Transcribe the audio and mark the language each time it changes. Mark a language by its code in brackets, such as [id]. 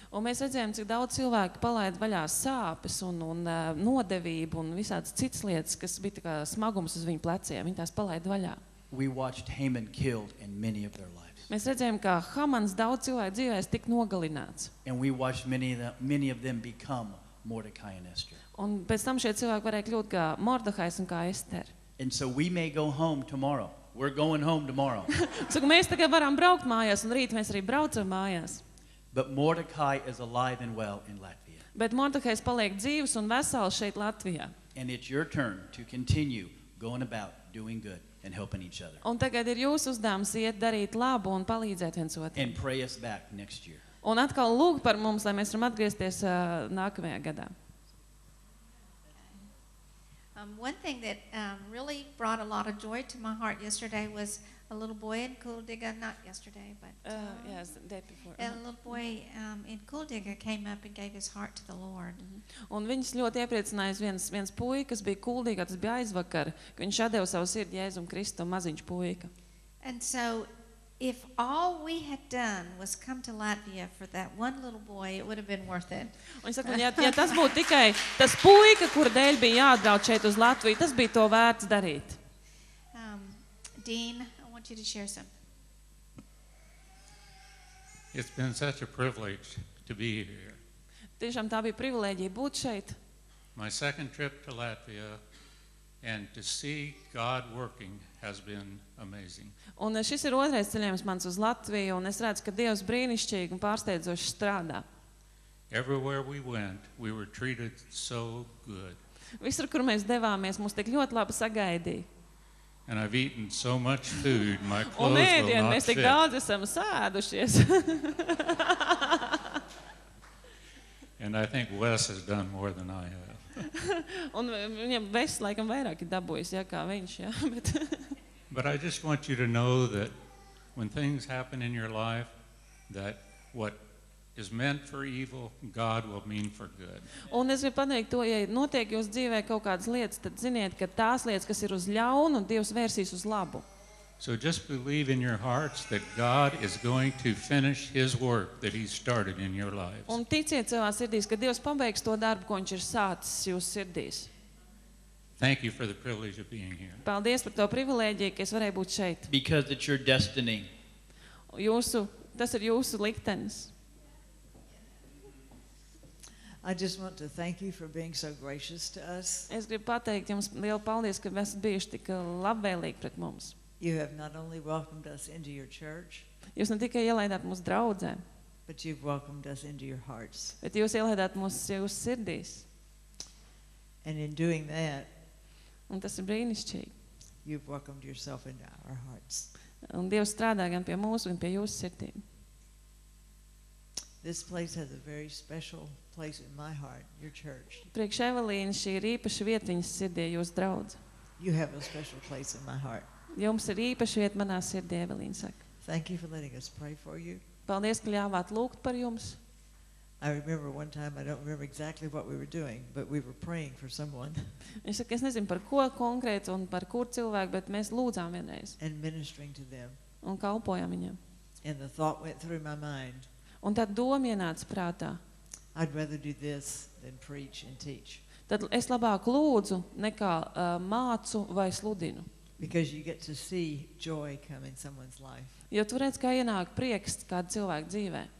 [lv] Un mēs redzējām, cik daudz cilvēku palaida vaļā sāpes un nodevību un visādas citas lietas, kas bija tā kā smagums uz viņu pleciem, viņi tās palaida vaļā. [en] We watched Haman killed and many of their lives. [lv] Mēs redzējām, kā Hamans daudz cilvēku dzīvēs tik nogalināts. [en] And we watched many of them become Mordecai and Esther. [lv] Un pēc tam šie cilvēki varēja kļūt kā Mordehais un kā Ester. [en] And so we may go home tomorrow. We're going home tomorrow. [lv] So mēs tagad varam braukt mājās un rīt mēs arī braucam mājās. [en] But Mordecai is alive and well in Latvia. [lv] Bet Mordehais paliek dzīvs un vesels šeit Latvijā. [en] And it's your turn to continue going about doing good and helping each other. [lv] Un tagad ir jūsu uzdevums iet darīt labu un palīdzēt viens otram. [en] And pray us back next year. [lv] Un atkal lūg par mums, lai mēs varam atgriezties nākamajā gadā. [en] One thing that really brought a lot of joy to my heart yesterday was a little boy in Kuldiga, not yesterday, but yes, the day before. A little boy in Kuldiga came up and gave his heart to the Lord. [lv] Un viņš ļoti iepriecinājis viens puika, kas bija Kuldigā, tas bija aizvakar, ka viņš atdeva savu sirdi Jēzum Kristum, maziņš puika. [en] And so if all we had done was come to Latvia for that one little boy, it would have been worth it. [lv] Un saku, ja tas būtu tikai tas puika, kur dēļ bija jāatbrauc šeit uz Latviju, tas bija to vērts darīt. [en] Dean, I want you to share some. It's been such a privilege to be here. [lv] Tiešām tā bija privilēģija būt šeit. [en] My second trip to Latvia and to see God working has been amazing. [lv] Un šis ir otrais ceļojums mans uz Latviju, un es redzu, ka Dievs brīnišķīgi un pārsteidzoši strādā. [en] Everywhere we went, we were treated so good. [lv] Visur, kur mēs devāmies, mums tik ļoti labi sagaidīja. [en] And I've eaten so much food, my clothes will not fit. [lv] Un ēdien, mēs tik daudz esam sēdušies. [en] And I think Wes has done more than I have. [lv] Un viņam Wes laikam vairāk ir dabūjis, ja, kā viņš, ja, bet [en] But I just want you to know that when things happen in your life, that what is meant for evil, God will mean for good. [lv] Un es gribu pateikt to, ja notiek jūs dzīvē kaut kādas lietas, tad ziniet, ka tās lietas, kas ir uz ļaunu, Dievs vērsīs uz labu. [en] So just believe in your hearts that God is going to finish his work that he started in your lives. [lv] Un ticiet savā sirdīs, ka Dievs pabeigs to darbu, ko viņš ir sācis jūsu sirdīs. [en] Thank you for the privilege of being here. [lv] Paldies par to privilēģiju, ka es varēju būt šeit. [en] Because it's your destiny. [lv] Tas ir jūsu liktenis. [en] I just want to thank you for being so gracious to us. [lv] Es gribu pateikt jums lielu paldies, ka esat bijuši tik labvēlīgi pret mums. [en] You have not only welcomed us into your church. [lv] Jūs ne tikai ielaidāt mūsu draudzē. [en] But you've welcomed us into your hearts. [lv] Bet jūs ielaidāt mūsu jūsu sirdīs. [en] And in doing that, [lv] Un tas ir brīnišķīgi. [en] You've welcomed yourself into our hearts. [lv] Un Dievs strādā gan pie mūsu, gan pie jūsu sirdīm. [en] This place has a very special place in my heart, your church. [lv] Priekš Evelīna, šī ir īpaša vieta viņas sirdī, jūsu draudz. [en] You have a special place in my heart. [lv] Jums ir īpaša vieta manā sirdī, Evelīna saka. [en] Thank you for letting us pray for you. [lv] Paldies, ka ļāvāt lūgt par jums. [en] I remember one time, I don't remember exactly what we were doing, but we were praying for someone. [lv] Es saku, es nezinu par ko konkrēti un par kur cilvēku, bet mēs lūdzām vienreiz. [en] And ministering to them. [lv] Un kalpojām viņam. [en] And the thought went through my mind. [lv] Un tad doma ienāca prātā. [en] I'd rather do this than preach and teach. [lv] Tad es labāk lūdzu, nekā mācu vai sludinu. [en] Because you get to see joy come in someone's life. [lv] Jo tu redz, kā ienāk prieks kādu cilvēku dzīvē.